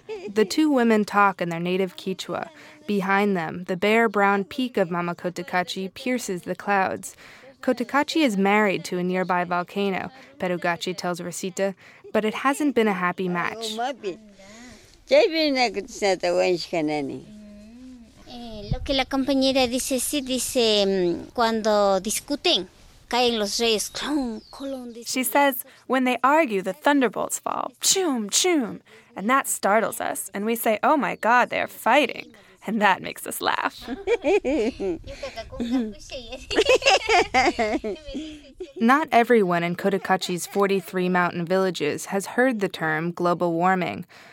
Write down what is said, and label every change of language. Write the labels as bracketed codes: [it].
[en] The two women talk in their native Quechua. Behind them, the bare brown peak of Mama Cotacachi pierces the clouds. Cotacachi is married to a nearby volcano, Perugache tells Rosita, but it hasn't been a happy match. [es] Lo que la compañera dice, sí, dice, cuando discuten, caen los reyes. [en] She says, when they argue, the thunderbolts fall. Choom, choom. And that startles us. And we say, oh my God, they're fighting. And that makes us laugh. Not everyone in Cotacachi's 43 mountain villages has heard the term global warming.